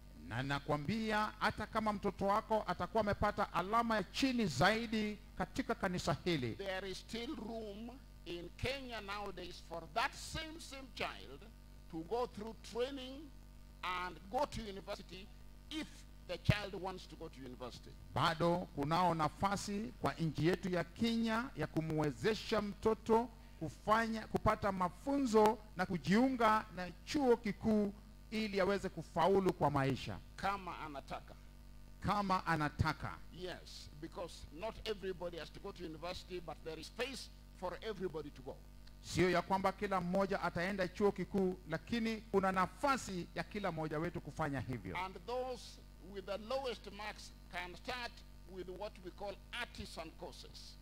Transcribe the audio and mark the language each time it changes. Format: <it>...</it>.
<sw>na nakwambia hata kama mtoto wako atakuwa amepata alama ya chini zaidi katika kanisa hili,</sw> <en>there is still room in Kenya nowadays for that same child to go through training and go to university if the child wants to go to university.</en> <sw>Bado kunao nafasi kwa nchi yetu ya Kenya ya kumwezesha mtoto kufanya kupata mafunzo na kujiunga na chuo kikuu ili aweze kufaulu kwa maisha. Kama anataka. Kama anataka.</sw> <en>Yes, because not everybody has to go to university, but there is space for everybody to go.</en> <sw>Sio ya kwamba kila mmoja ataenda chuo kikuu, lakini kuna nafasi ya kila mmoja wetu kufanya hivyo.</sw> <en>And those with the lowest marks can start with what we call artisan courses.</en>